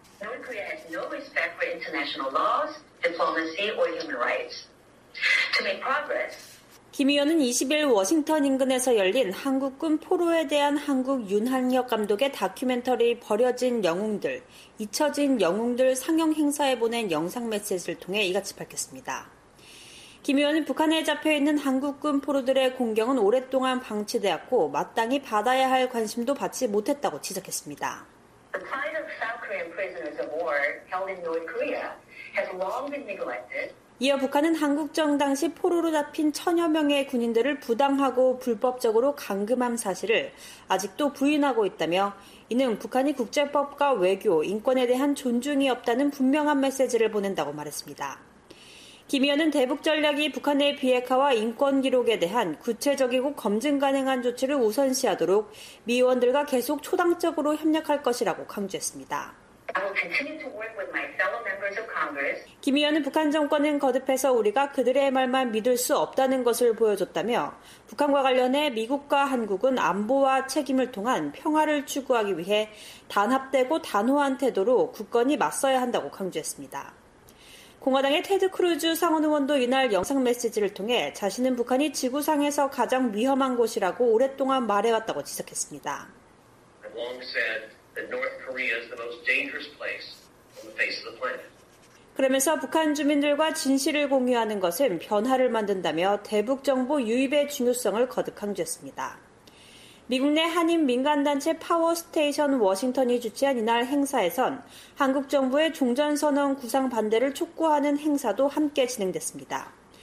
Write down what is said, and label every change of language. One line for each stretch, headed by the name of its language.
Korean: Progress, 김 의원은 20일 워싱턴 인근에서 열린 한국군 포로에 대한 한국 윤한혁 감독의 다큐멘터리 버려진 영웅들 잊혀진 영웅들 상영 행사에 보낸 영상 메시지를 통해 이같이 밝혔습니다. 김 의원은 북한에 잡혀있는 한국군 포로들의 공경은 오랫동안 방치되었고 마땅히 받아야 할 관심도 받지 못했다고 지적했습니다.
English: The plight of South Korean prisoners of war held in North Korea has long been neglected.
Korean: 이어 북한은 한국정 당시 포로로 잡힌 천여 명의 군인들을 부당하고 불법적으로 감금한 사실을 아직도 부인하고 있다며 이는 북한이 국제법과 외교, 인권에 대한 존중이 없다는 분명한 메시지를 보낸다고 말했습니다. 김 의원은 대북 전략이 북한의 비핵화와 인권 기록에 대한 구체적이고 검증 가능한 조치를 우선시하도록 미 의원들과 계속 초당적으로 협력할 것이라고 강조했습니다.
English: Congress.
Korean: 김 의원은 북한 정권은 거듭해서 우리가 그들의 말만 믿을 수 없다는 것을 보여줬다며 북한과 관련해 미국과 한국은 안보와 책임을 통한 평화를 추구하기 위해 단합되고 단호한 태도로 굳건히 맞서야 한다고 강조했습니다. 공화당의 테드 크루즈 상원 의원도 이날 영상 메시지를 통해 자신은 북한이 지구상에서 가장 위험한 곳이라고 오랫동안 말해왔다고 지적했습니다.
English: I've long said that North Korea is the most dangerous place on the face of the planet.
Korean: 그러면서 북한 주민들과 진실을 공유하는 것은 변화를 만든다며 대북 정보 유입의 중요성을 거듭 강조했습니다. 미국 내 한인 민간단체 파워스테이션 워싱턴이 주최한 이날 행사에선 한국 정부의 종전선언 구상 반대를 촉구하는 행사도 함께 진행됐습니다.